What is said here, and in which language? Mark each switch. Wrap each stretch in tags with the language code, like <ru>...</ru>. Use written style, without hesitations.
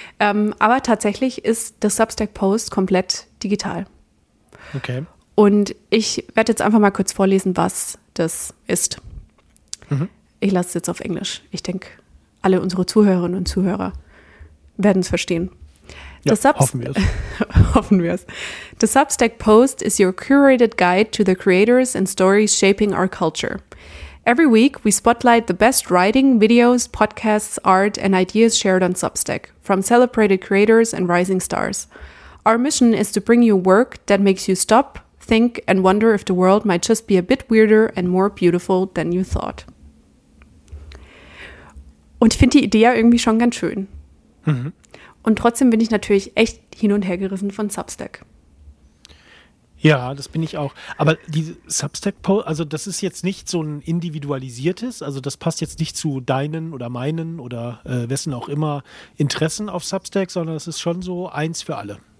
<de>Aber tatsächlich ist das Substack-Post komplett digital. Okay. Und ich werde jetzt einfach mal kurz vorlesen, was das ist. Mhm. Ich lasse es jetzt auf Englisch. Ich denke, alle unsere Zuhörerinnen und Zuhörer werden es verstehen. The hoffen wir es.</de> <en>The Substack Post is your curated guide to the creators and stories shaping our culture. Every week, we spotlight the best writing, videos, podcasts, art, and ideas shared on Substack from celebrated creators and rising stars. Our mission is to bring you work that makes you stop, think, and wonder if the world might just be a bit weirder and more beautiful than you thought.</en> <de>Und ich finde die Idee irgendwie schon ganz schön. Und trotzdem bin ich natürlich echt hin und her gerissen von Substack. Ja, das bin ich auch. Aber die Substack-Post, also das ist jetzt nicht so ein individualisiertes, also das passt jetzt nicht zu deinen oder meinen oder wessen auch immer Interessen auf Substack, sondern es ist schon so eins für alle.</de>